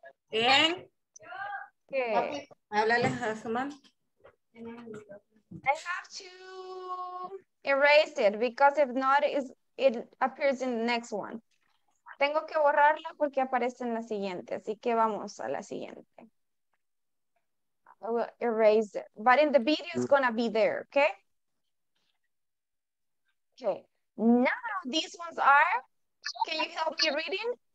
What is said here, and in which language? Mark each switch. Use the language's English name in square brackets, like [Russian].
[Spanish] Bien. [English] Okay. I have to erase it because if not, it appears in the next one. [Spanish] Tengo que borrarla porque aparece en la siguiente. Así que vamos a la siguiente. [English] I will erase it. But in the video, it's going to be there, okay? Okay. Now, these ones are, can you help me reading?